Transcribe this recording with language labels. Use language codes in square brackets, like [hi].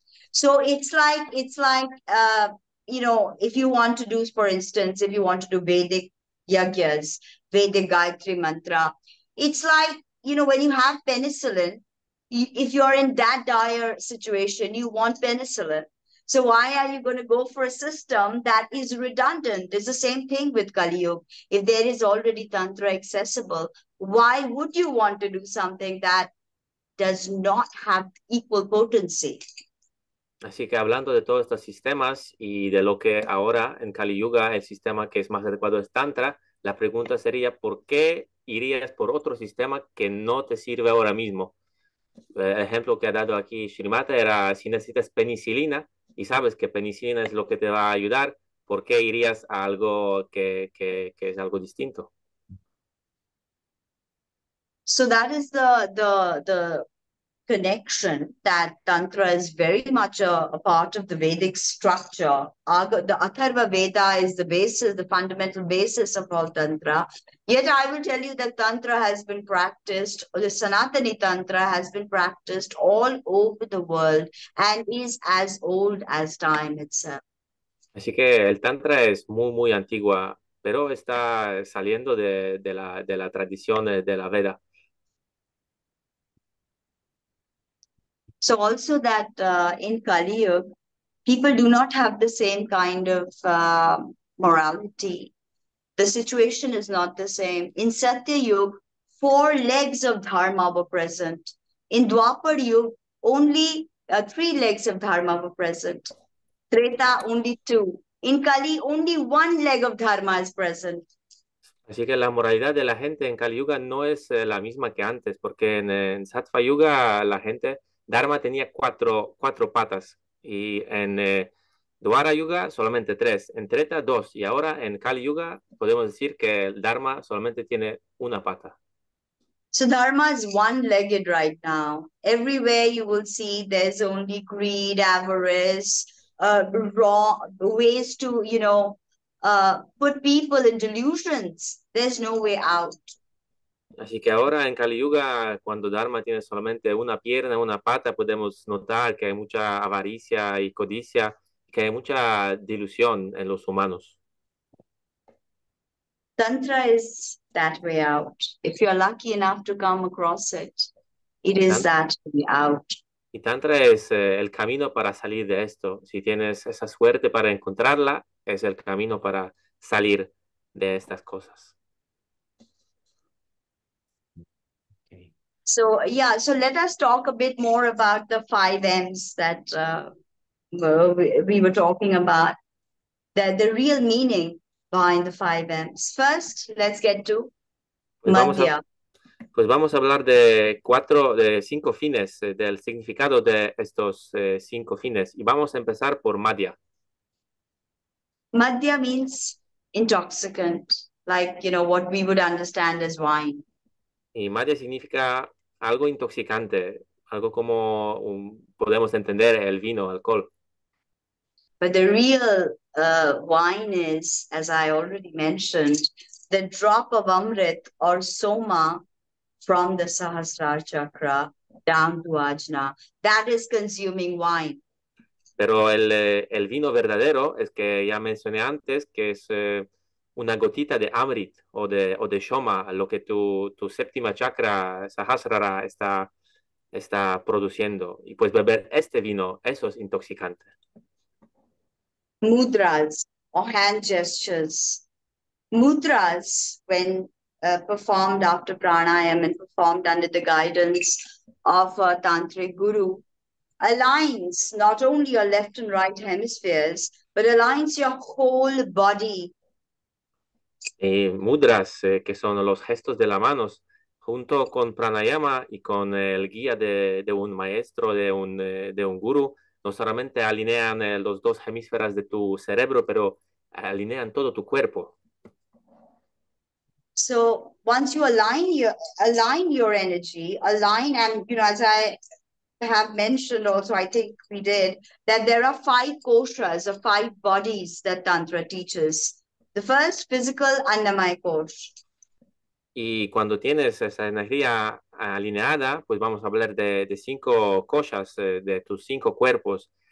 [en] So it's like, if you want to do, for instance, if you want to do Vedic yajnas, Vedic Gayatri Mantra, it's like, you know, when you have penicillin, if you are in that dire situation, you want penicillin. So why are you going to go for a system that is redundant? It's the same thing with Kali Yuga. If there is already Tantra accessible, why would you want to do something that does not have equal potency? [es] Así que hablando de todos estos sistemas y de lo que ahora en Kali Yuga el sistema que es más adecuado es Tantra, la pregunta sería, ¿por qué irías por otro sistema que no te sirve ahora mismo? El ejemplo que ha dado aquí Shrimata era, si necesitas penicilina, y sabes que penicilina es lo que te va a ayudar, ¿por qué irías a algo que es algo distinto? [en] So that is the connection that Tantra is very much a part of the Vedic structure. The Atharva Veda is the basis, the fundamental basis of all Tantra. Yet I will tell you that Tantra has been practiced, the Sanatani Tantra has been practiced all over the world and is as old as time itself. [es] Así que el Tantra es muy, muy antigua, pero está saliendo de la tradición de la Veda. [en] So also that in Kali Yuga, people do not have the same kind of morality. The situation is not the same. In Satya Yuga, four legs of Dharma were present. In Dwapar Yuga, only three legs of Dharma were present. Treta, only two. In Kali, only one leg of Dharma is present. [es] Así que la moralidad de la gente en Kali Yuga no es la misma que antes, porque en Sattva Yuga la gente... Dharma tenía cuatro patas y en Dwara Yuga solamente tres, en Treta dos y ahora en Kali Yuga podemos decir que el Dharma solamente tiene una pata. [en] So Dharma is one-legged right now. Everywhere you will see there's only greed, avarice, wrong ways to, you know, put people in delusions. There's no way out. [es] Así que ahora en Kali Yuga, cuando Dharma tiene solamente una pierna, una pata, podemos notar que hay mucha avaricia y codicia, que hay mucha delusión en los humanos. [en] Tantra is that way out. If you are lucky enough to come across it, it is that way out. [es] Y Tantra es el camino para salir de esto. Si tienes esa suerte para encontrarla, es el camino para salir de estas cosas. [en] So, yeah, so let us talk a bit more about the five M's that we were talking about, that the real meaning behind the five M's. First, let's get to Madhya. [es] Pues vamos a hablar de cinco fines, del significado de estos cinco fines. Y vamos a empezar por Madhya. [en] Madhya means intoxicant, like, you know, what we would understand as wine. [es] Y Madhya significa... algo intoxicante, algo como podemos entender el vino, alcohol. [en] But the real wine is, as I already mentioned, the drop of Amrit or Soma from the Sahasrara Chakra down to Ajna. That is consuming wine. [es] Pero el vino verdadero es que ya mencioné antes que es una gotita de Amrit o de Shoma, lo que tu séptima chakra, Sahasrara, está produciendo. Y puedes beber este vino, eso es intoxicante. [en] Mudras o hand gestures. Mudras, when performed after pranayama and performed under the guidance of a tantric guru, aligns not only your left and right hemispheres, but aligns your whole body. [es] Y mudras, que son los gestos de las manos, junto con pranayama y con el guía de un maestro, de un guru, no solamente alinean los dos hemisferas de tu cerebro, pero alinean todo tu cuerpo. [en] So, once you align your energy, align, and you know, as I have mentioned also, I think we did, that there are five koshas, or five bodies that Tantra teaches. The first, physical annamaya kosha. [es] Y cuando tienes esa energía alineada, pues vamos a hablar de cinco koshas, de tus cinco cuerpos.